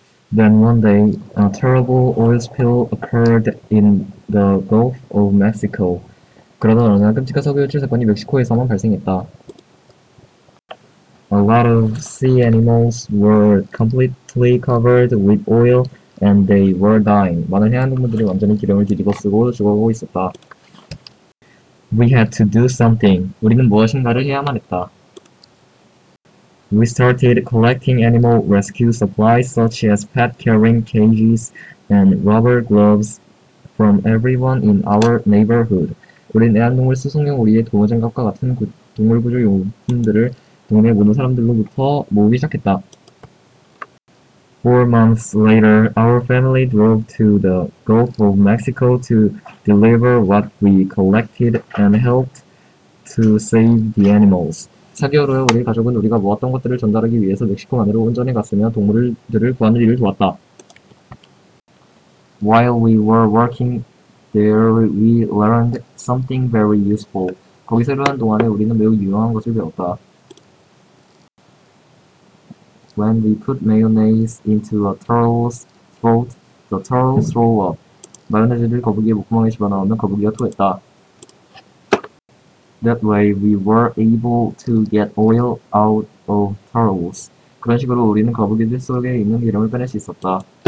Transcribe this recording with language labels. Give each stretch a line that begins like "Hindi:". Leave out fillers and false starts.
English: Then one day, a terrible oil spill occurred in the Gulf of Mexico.
Korean: 그러던 어느 날 끔찍한 석유유출 사건이 멕시코에서만 발생했다.
English: A lot of sea animals were completely covered with oil and they were dying.
Korean: 많은 해양동물들이 완전히 기름을 뒤집어 쓰고 죽어가고 있었다.
English: We had to do something.
Korean: 우리는 무엇인가를 해야만 했다.
English: We started collecting animal rescue supplies such as pet carrying cages and rubber gloves from everyone in our neighborhood.
Korean: 우리는 애완동물 수송용 우리의 동호장갑과 같은 동물구조 용품들을 동네 모든 사람들로부터 모으기 시작했다.
English: 4 months later, our family drove to the Gulf of Mexico to deliver what we collected and helped to save the animals.
Korean: 4개월 후에 우리 가족은 우리가 모았던 것들을 전달하기 위해서 멕시코 만으로 운전해 갔으며 동물들을 구하는 일을 도왔다.
English: While we were working there, we learned something very useful.
Korean: 거기서 일하는 동안에 우리는 매우 유용한 것을 배웠다.
English: When we put mayonnaise into a turtle's throat, the turtle threw up.
Korean: 마요네즈를 거북이의 목구멍에 집어넣으면 거북이가 토했다.
English: That way we were able to get oil out of turtles.
Korean: 그런 식으로 우리는 거북이들 속에 있는 기름을 빼낼 수 있었다.